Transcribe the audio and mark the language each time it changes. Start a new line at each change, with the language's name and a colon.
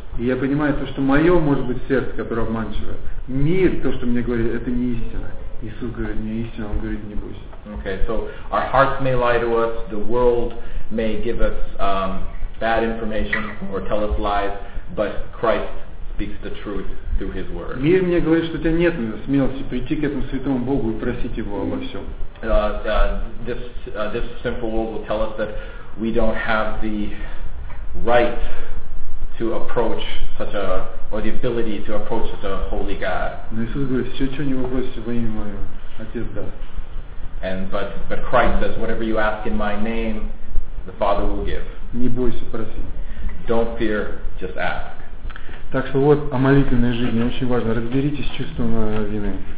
Russian: И я понимаю то, что мое может быть сердце, которое обманчивое. Мир, то, что мне говорит, это не истина. Иисус говорит, не истина, Он говорит, не бойся.
English: Okay, so our hearts may lie to us, the world may give us bad information or tell us lies, but Christ speaks the truth through His word.
Russian: Мир мне говорит, что у тебя нет смелости прийти к этому святому Богу и просить Его обо всем.
English: This sinful world will tell us that we don't have the right to approach such a, or the ability to approach such a holy God.
Russian: Но Иисус говорит, все, что не вопросите во имя Мое, Отец даст.
English: And but Christ says, whatever you ask in my name, the Father will give.
Russian: Не бойся просить.
English: Don't fear, just ask.
Russian: Так что вот о молитвенной жизни очень важно. Разберитесь с чувством вины.